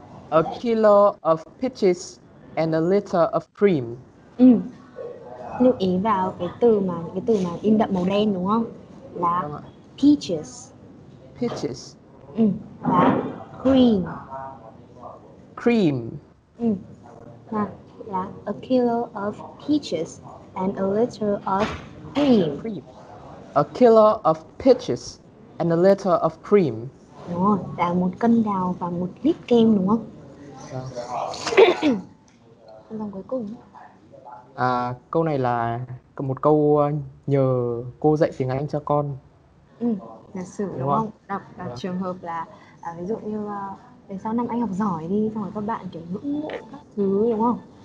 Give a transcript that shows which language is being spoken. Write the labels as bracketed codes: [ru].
[en] A kilo of peaches and a liter of cream. [vi] Ừ. Lưu ý vào cái từ mà in đậm màu đen đúng không? Là peaches. [en] Peaches. [vi] Ừ. Là cream. [en] Cream. [vi] Ừ. [en] Là a kilo of peaches and a liter of cream. Cream. A kilo of peaches and a liter of cream. [vi] Đúng rồi. Là một cân đào và một lít kem đúng không? Lần cuối cùng. Câu này là một câu nhờ cô dạy tiếng Anh cho con. Ừ, giả sử đúng không? Đọc trường hợp là ví dụ như về sau năm anh học giỏi đi, xong rồi các bạn kiểu ngưỡng mộ các thứ đúng không?